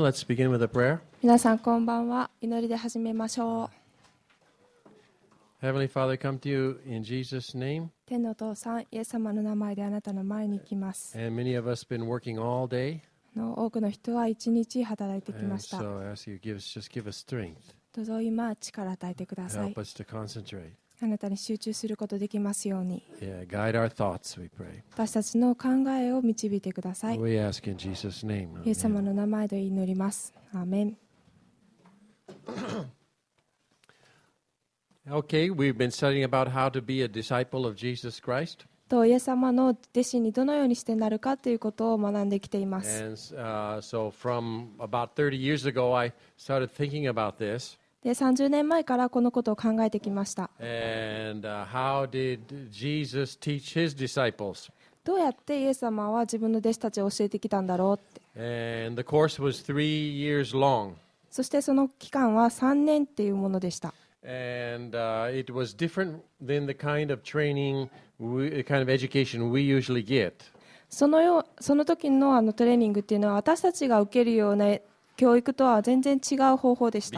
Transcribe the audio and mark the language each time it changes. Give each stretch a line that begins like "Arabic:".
English: Let's begin with a prayer.
Japanese: 皆さんこんばんは。祈りで始めましょう。
English: Heavenly Father, come to you in Jesus' name.
Japanese: 天のお父さん、イエス様の名前であなたの前に来ます。
English: And many of us been working all day.
Japanese: 多くの人は一日働いてきました。
English: And so I ask you, give us strength.
Japanese: どうぞ今力を与えてください。
English: Help us to concentrate.
Japanese: あなたに集中することができますように。
English: Yeah, guide our thoughts, we pray.
Japanese: 私たちの考えを導いてください。
English: We ask in Jesus' name.
Japanese: イエス様の名前で祈ります。アーメン。
English: Okay, we've been studying about how to be a disciple of Jesus Christ.
Japanese: とイエス様の弟子にどのようにしてなるかということを学んできています。
English: And so from about 30 years ago, I started thinking about this.
Japanese: で30年前からこのことを考えてきました。
English: And, how did Jesus teach his disciples?
Japanese: どうやってイエス様は自分の弟子たちを教えてきたんだろうって。
English: And the course was 3 years long.
Japanese: そしてその期間は3年っていうものでした。
English: And, it was different than the kind of training, the kind of education we usually get.
Japanese: その時の あのトレーニングっていうのは私たちが受けるような教育とは全然違う方法でした。